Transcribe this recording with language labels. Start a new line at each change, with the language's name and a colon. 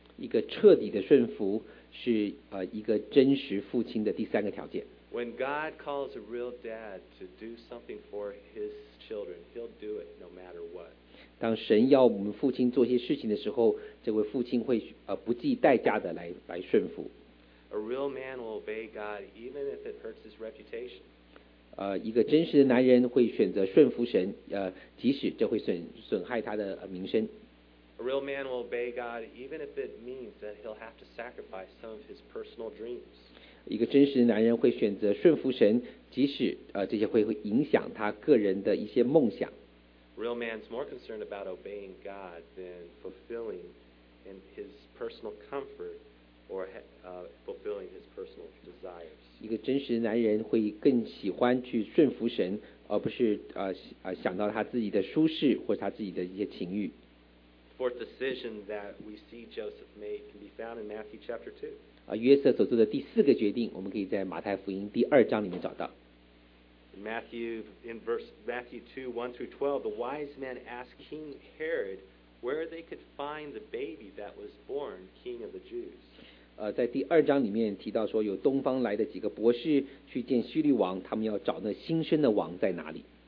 Chinese: 一个彻底的顺服是一个真实父亲的第三个条件。
English: When God calls a real dad to do something for his children, he'll do it no matter what.
Chinese: 当神要我们父亲做些事情的时候，这位父亲会不计代价的来顺服。
English: A real man will obey God even if it hurts his reputation.
Chinese: 一个真实的男人会选择顺服神，即使这会损害他的名声。
English: A real man will obey God even if it means that he'll have to sacrifice some of his personal dreams.
Chinese: 一个真实的男人会选择顺服神，即使这些会影响他个人的一些梦想。
English: A real man's more concerned about obeying God than fulfilling in his personal comfort or fulfilling his personal desires.
Chinese: 一个真实的男人会更喜欢去顺服神，而不是想到他自己的舒适或者他自己的一些情欲。
English: Fourth decision that we see Joseph made can be found in Matthew chapter 2.
Chinese: 约瑟所做的第四个决定，我们可以在马太福音第二章里面找到。
English: Matthew 2:1 through 12, the wise men asked King Herod where they could find the baby that was born king of the Jews.
Chinese: 在第二章里面提到说，有东方来的几个博士去见叙利王，他们要找那新生的王在哪里。